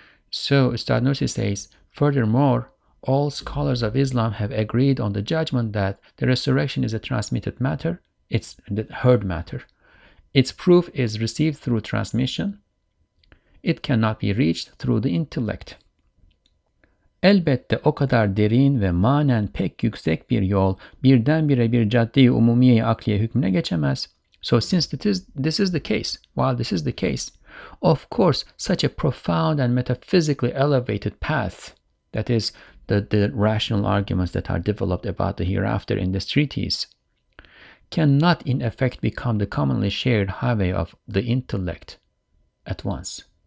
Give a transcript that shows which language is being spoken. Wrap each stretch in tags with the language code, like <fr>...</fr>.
<en>So Ustad Nursi says, furthermore, all scholars of Islam have agreed on the judgment that the resurrection is a transmitted matter, it's the heard matter. Its proof is received through transmission. It cannot be reached through the intellect.</en> <tr>Elbette o kadar derin ve manen pek yüksek bir yol birdenbire bir caddeyi umumiye akliye hükmüne geçemez.</tr> <en>So since this is the case, of course, such a profound and metaphysically elevated path, that is, the rational arguments that are developed about the hereafter in this treatise, cannot in effect become the commonly shared highway of the intellect at once.</en>